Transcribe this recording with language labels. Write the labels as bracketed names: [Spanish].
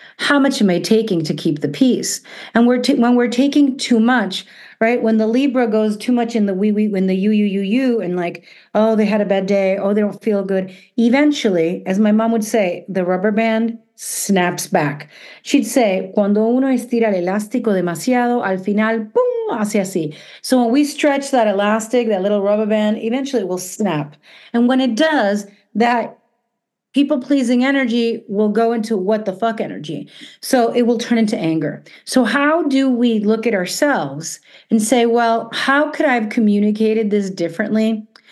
[English] How much am I taking to keep the peace? And when we're taking too much, right? When the Libra goes too much in the wee-wee, when the you, and like, oh, they had a bad day. Oh, they don't feel good. Eventually, as my mom would say, the rubber band snaps back. [Spanish] She'd say, cuando uno estira el elástico demasiado, al final, boom, hacia así. [English] So when we stretch that elastic, that little rubber band, eventually it will snap. And when it does, that people-pleasing energy will go into what the fuck energy. So it will turn into anger. So how do we look at ourselves and say, well, how could I have communicated this differently?